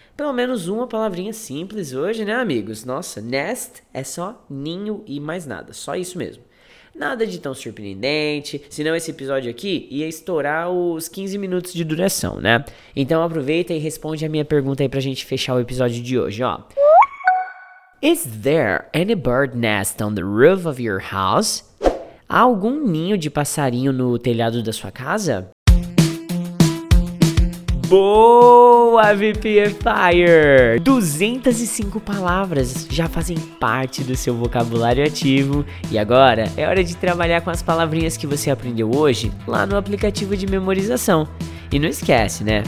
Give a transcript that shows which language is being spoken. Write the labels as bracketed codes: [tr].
[pt] Pelo menos uma palavrinha simples hoje, né, amigos? Nossa, nest é só ninho e mais nada, só isso mesmo. Nada de tão surpreendente, senão esse episódio aqui ia estourar os 15 minutos de duração, né? Então aproveita e responde a minha pergunta aí pra gente fechar o episódio de hoje, ó. [en] Is there any bird nest on the roof of your house? [pt] Há algum ninho de passarinho no telhado da sua casa? Boa, VP Empire! 205 palavras já fazem parte do seu vocabulário ativo. E agora é hora de trabalhar com as palavrinhas que você aprendeu hoje lá no aplicativo de memorização. E não esquece, né?